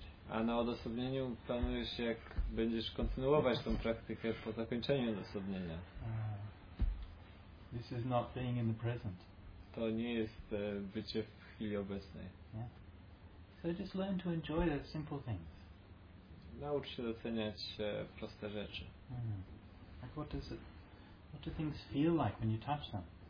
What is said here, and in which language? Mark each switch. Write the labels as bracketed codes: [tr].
[pl] A na odosobnieniu planujesz, jak będziesz kontynuować tą praktykę po zakończeniu odosobnienia. [en] This is not being in the present. [pl] To nie jest bycie w chwili obecnej. [en] Yeah. So just learn to enjoy the simple things. [pl] Naucz się doceniać proste rzeczy. [en] Like what do things feel like when you touch them?